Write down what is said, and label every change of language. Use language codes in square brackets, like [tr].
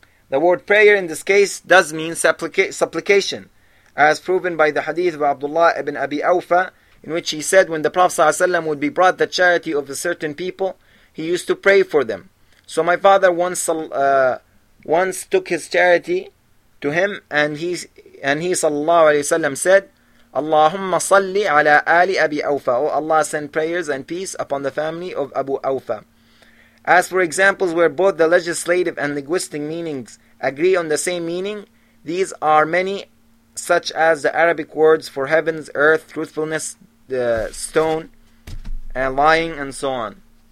[en] The word prayer in this case does mean supplication, as proven by the hadith of Abdullah ibn Abi Awfa, in which he said when the Prophet ﷺ would be brought the charity of a certain people, he used to pray for them. So my father once took his charity to him, and he sallallahu alayhi wa sallam said, [ar] اللهم صلي على آل أبي أوفا. [en] Oh Allah, send prayers and peace upon the family of Abu Awfa. As for examples where both the legislative and linguistic meanings agree on the same meaning, these are many, such as the Arabic words for heavens, earth, truthfulness, the stone, and lying, and so on.